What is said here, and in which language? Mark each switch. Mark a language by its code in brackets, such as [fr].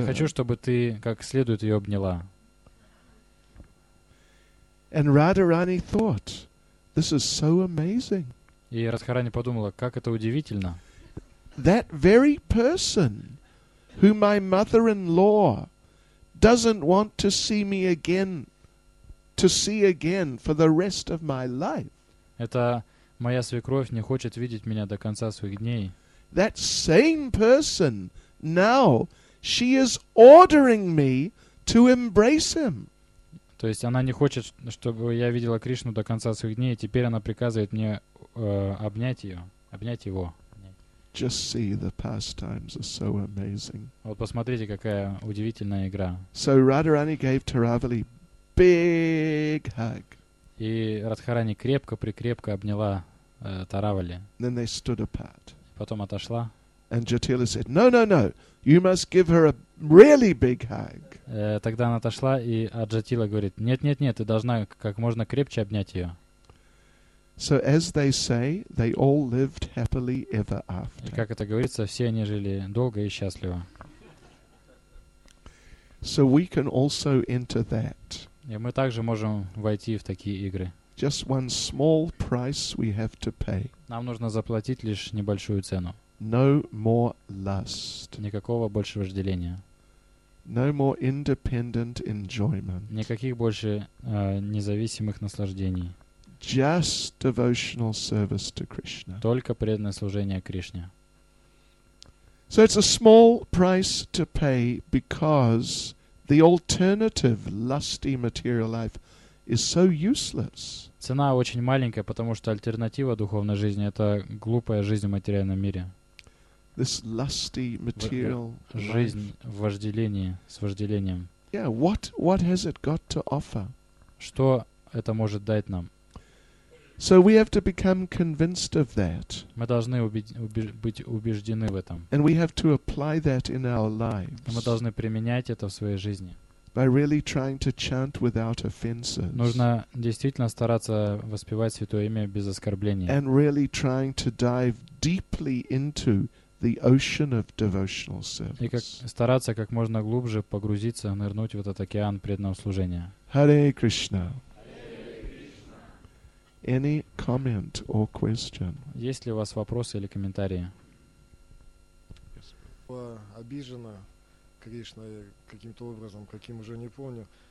[ru] Я хочу, чтобы ты как следует ее обняла. [en] And Radharani thought, this is so amazing. [ru] И Радхарани подумала, как это удивительно. [en] That very person, who my mother-in-law doesn't want to see me again, to see again for the rest of my life. [ru] Это моя свекровь не хочет видеть меня до конца своих дней. [en] That same person now she is ordering me to embrace him. [ru] То есть она не хочет, чтобы я видела Кришну до конца своих дней, и теперь она приказывает мне обнять ее, обнять его. [en] Just see, the pastimes are so amazing. [ru] Вот посмотрите, какая удивительная игра. [en] So Radharani gave Taravali big hug. [ru] И Радхарани крепко-прикрепко обняла Таравали. [en] Then they stood apart. [ru] Потом отошла. [en] And Jatila said, "No, no, no! You must give her a really big hug." [ru] Тогда она отошла, и Аджатила говорит: "Нет, нет, нет! Ты должна как можно крепче обнять ее." [en] So as they say, they all lived happily ever after. [ru] И как это говорится, все они жили долго и счастливо. [en] So we can also enter that. [ru] И мы также можем войти в такие игры. [en] Just one small price we have to pay. [ru] Нам нужно заплатить лишь небольшую цену. [en] No more lust. [ru] Никакого больше вожделения. [en] No more independent enjoyment. [ru] Никаких больше независимых наслаждений. [en] Just devotional service to Krishna. [ru] Только преданное служение Кришне. [en] So it's a small price to pay because the alternative lusty material life is so useless. [ru] Цена очень маленькая, потому что альтернатива духовной жизни — это глупая жизнь в материальном мире. [en] This lusty material life. [ru] Жизнь в вожделении, с вожделением. [en] Yeah, what has it got to offer? [ru] Что это может дать нам? [en] So we have to become convinced of that. [ru] Мы должны быть убеждены в этом. [en] And we have to apply that in our lives. [ru] Мы должны применять это в своей жизни. [en] By really trying to chant without offenses. [ru] Нужно действительно стараться воспевать святое имя без оскорблений. [en] And really trying to dive deeply into the ocean of devotional service. [ru] И как стараться как можно глубже погрузиться, нырнуть в этот океан преданного служения. [en] Hare Krishna. Any comment or question? [ru] Есть ли у вас вопросы или комментарии? Обижена Кришна каким-то образом, каким уже не помню.